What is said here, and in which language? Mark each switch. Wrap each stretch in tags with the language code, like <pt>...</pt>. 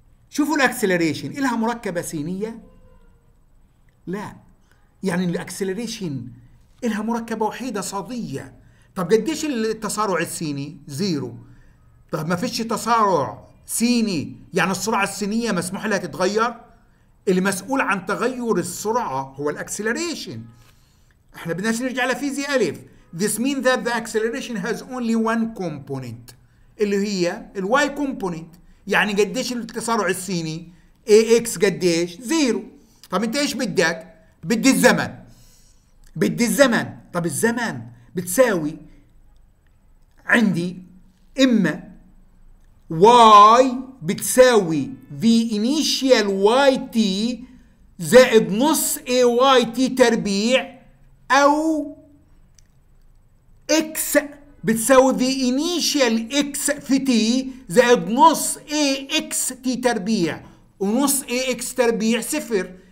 <ar>شوفوا الأكسلريشن إلها مركبة سينية؟ لا، يعني الأكسلريشن إلها مركبة وحيدة صادية. طب قديش التسارع السيني؟ زيرو. طب ما فيش تسارع سيني، يعني السرعة السينية مسموح لها تتغير؟ المسؤول عن تغير السرعة هو الأكسلريشن. احنا بدناش نرجع لفيزياء ألف.</ar> <en>This means that the acceleration has only one component اللي هي ال y component.</en> <ar>يعني قديش التسارع السيني؟ ax قديش؟ زيرو. طب انت ايش بدك؟ بدي الزمن، بدي الزمن. طب الزمن بتساوي عندي اما y بتساوي the initial yt زائد نص ayt تربيع، أو X بتساوي the initial X في T زائد نص AX T تربيع، ونص AX تربيع صفر.</ar>